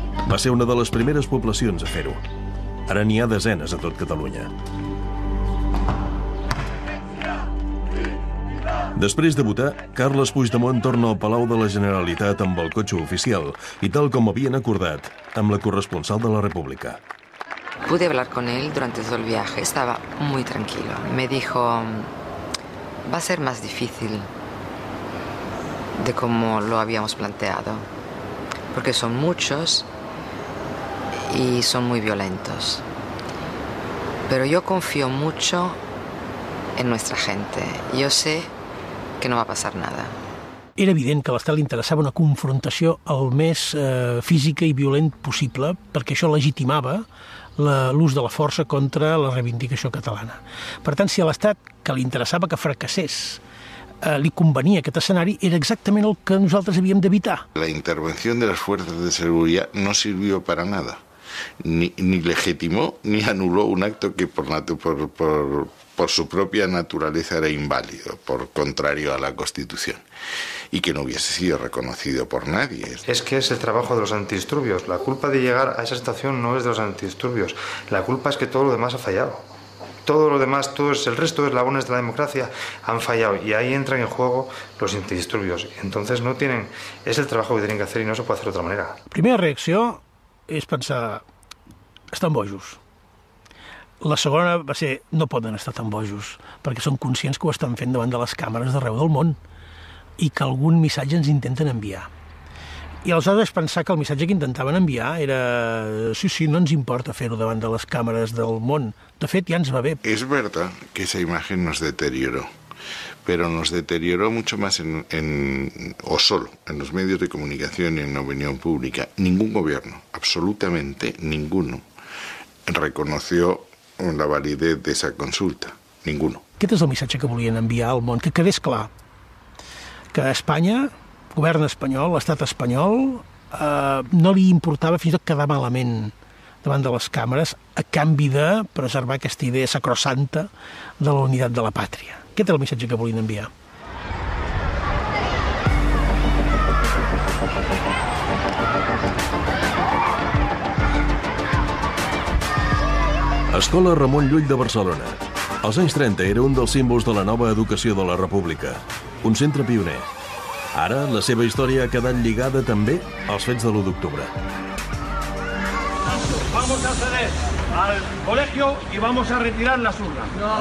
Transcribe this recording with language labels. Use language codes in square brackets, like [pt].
[ca] Va ser una de les primeres poblacions a fer-ho. Ara n'hi ha desenes a tot Catalunya. Després de votar, Carles Puigdemont torna al Palau de la Generalitat amb el cotxe oficial i tal com havien acordat amb la corresponsal de La República. [es] Pude hablar con él durante todo el viaje. Estaba muy tranquilo. Me dijo, va a ser más difícil de como lo habíamos planteado, porque son muchos y son muy violentos. Pero yo confío mucho en nuestra gente. Yo sé que no va a pasar nada. [ca] Era evident que a l'Estat li interessava una confrontació el més física i violent possible, perquè això legitimava l'ús de la força contra la reivindicació catalana. Per tant, si a l'Estat, que li interessava que fracassés, li convenia aquest escenari, era exactament el que nosaltres havíem d'evitar. La intervenció de les forces de seguretat [es] no sirvió para nada. Ni legitimó ni anuló un acto que por su propia naturaleza era inválido, por contrario a la Constitución, y que no hubiese sido reconocido por nadie. Es que es el trabajo de los antidisturbios. La culpa de llegar a esa situación no es de los antidisturbios. La culpa es que todo lo demás ha fallado. Todo lo demás, todo el resto de eslabones de la democracia han fallado y ahí entran en juego los antidisturbios. Entonces no tienen... Es el trabajo que tienen que hacer y no se puede hacer de otra manera. [ca] Primera reacció és pensar... Estan bojos. La segona va ser... No poden estar tan bojos perquè són conscients que ho estan fent davant de les càmeres d'arreu del món i que algun missatge ens intenten enviar. I aleshores pensar que el missatge que intentaven enviar era... Sí, sí, no ens importa fer-ho davant de les càmeres del món. De fet, ja ens va bé. És veritat que [es] esa imatge nos deterioró, però nos deterioró mucho más en los medios de comunicación y en la opinión pública. Ningún gobierno, absolutamente ninguno, reconoció la validez de esa consulta. Ninguno. [ca] Aquest és el missatge que volien enviar al món, que quedés clar que a Espanya... Govern espanyol, l'estat espanyol, no li importava fins i tot quedar malament davant de les càmeres a canvi de preservar aquesta idea sacrosanta de la unitat de la pàtria. Aquest és el missatge que volien enviar. Escola Ramon Llull de Barcelona. Als anys 30 era un dels símbols de la nova educació de la República. Un centre pioner. Ara, la seva història ha quedat lligada també als fets de l'1 d'octubre. [es] Vamos a ceder al colegio y vamos a retirar las urnas.